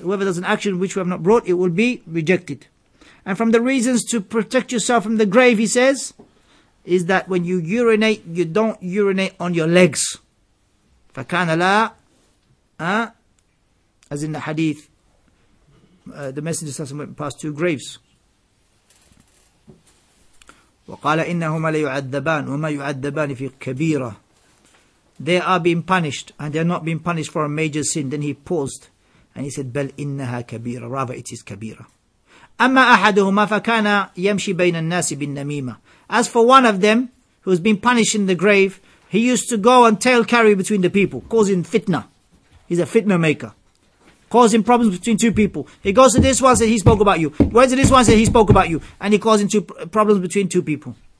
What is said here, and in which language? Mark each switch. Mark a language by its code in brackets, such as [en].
[en] Whoever does an action which we have not brought, it will be rejected. And from the reasons to protect yourself from the grave, he says, is that when you urinate, you don't urinate on your legs. [ar] فَكَانَ لَا [en] As in the hadith, the Messenger went past two graves. [ar] وقال إنهما ليعذبان وما يعذبان في كبيرة. [en] They are being punished and they are not being punished for a major sin. Then he paused and he said, [ar] بل إنها كبيرة. [en] Rather it is كبيرة. [ar] أما أحدهما فكان يمشي بين الناس بالنميمة. [en] As for one of them who's been punished in the grave, he used to go and tail carry between the people, causing fitna. He's a fitna maker, causing problems between two people. He goes to this one, says he spoke about you. He goes to this one, says he spoke about you. And he causing two problems between two people.